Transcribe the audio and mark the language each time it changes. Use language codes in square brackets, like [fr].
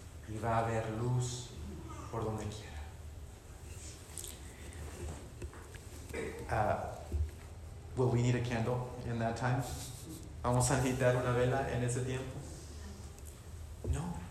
[es] Y va a haber luz por donde quiera. [en] Will we need a candle in that time? [es] ¿Vamos a necesitar una vela en ese tiempo? No.